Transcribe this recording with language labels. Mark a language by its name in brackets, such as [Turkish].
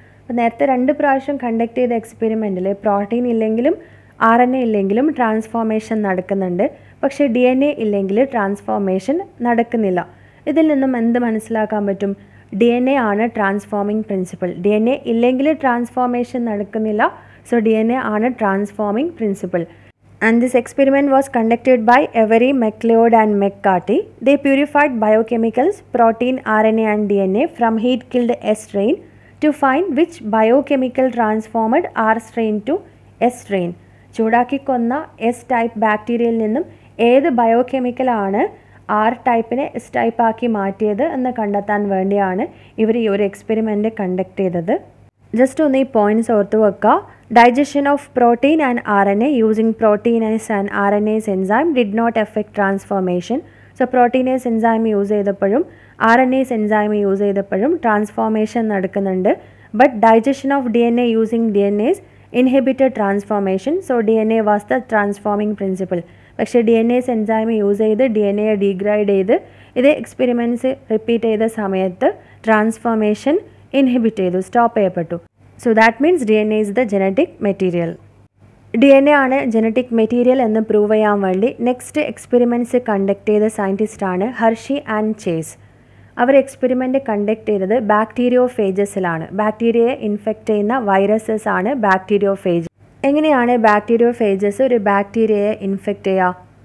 [Malayalam] അപ്പോൾ നേരത്തെ രണ്ട് പ്രാവശ്യം കണ്ടക്ട് ചെയ്ത എക്സ്പെരിമെൻറ്റിൽ പ്രോട്ടീൻ ഇല്ലെങ്കിലും ആർ എൻ എ ഇല്ലെങ്കിലും ട്രാൻസ്ഫോർമേഷൻ നടക്കുന്നുണ്ട്. പക്ഷേ ഡി എൻ എ ഇല്ലെങ്കിൽ ട്രാൻസ്ഫോർമേഷൻ നടക്കുന്നില്ല. ഇതിൽ നിന്നും എന്ത് മനസ്സിലാക്കാൻ പറ്റും? ഡി എൻ എ ആണ് transforming principle. D N A ഇല്ലെങ്കിൽ ട്രാൻസ്ഫോർമേഷൻ നടക്കുന്നില്ല. സോ ഡി എൻ എ ആണ് transforming principle. [English] And this experiment was conducted by Avery, McLeod and McCarty. They purified biochemicals, protein, RNA and DNA from heat-killed S-strain to find which biochemical transformed R-strain to S-strain. [Malayalam] ചൂടാക്കി കൊന്ന S type ബാക്ടീരിയയിൽ നിന്നും ഏത് biochemical ആണ് R ടൈപ്പിനെ S ടൈപ്പാക്കി മാറ്റിയത് എന്ന് കണ്ടെത്താൻ വേണ്ടിയാണ് ഇവർ ഈ ഒരു എക്സ്പെരിമെൻ്റ് കണ്ടക്ട് ചെയ്തത്. ജസ്റ്റ് ഒന്ന് ഈ പോയിൻറ്റ്സ് ഓർത്ത് വെക്കുക. [English] Digestion of protein and R N A using proteinase and R N S enzyme did not effect transformation. [Malayalam] So proteinase enzyme use ചെയ്തപ്പോഴും R N S enzyme use ചെയ്തപ്പോഴും transformation നടക്കുന്നുണ്ട്. [English] But digestion of D N A using DNase inhibited transformation. So D N A was the transforming principle. [Malayalam] പക്ഷേ D N S enzyme use ചെയ്ത് D N A degrade ചെയ്ത് ഇതേ experiments repeat ചെയ്ത സമയത്ത് transformation inhibit ചെയ്തു, stop ചെയ്യപ്പെട്ടു. [English] So that means DNA is the genetic material. [Malayalam] DNA ആണ് genetic material എന്ന് പ്രൂവ് ചെയ്യാൻ വേണ്ടി നെക്സ്റ്റ് എക്സ്പെരിമെൻറ്റ്സ് കണ്ടക്ട് ചെയ്ത സയൻറ്റിസ്റ്റാണ് Hershey and chase. Our experiment conduct ചെയ്തത് ബാക്ടീരിയോ ഫേജസിലാണ്. ബാക്ടീരിയയെ ഇൻഫെക്റ്റ് ചെയ്യുന്ന വൈറസസ് ആണ് ബാക്ടീരിയോ ഫേജ്. എങ്ങനെയാണ് ബാക്ടീരിയോ ഫേജസ് ഒരു ബാക്ടീരിയയെ ഇൻഫെക്റ്റ് ചെയ്യുക?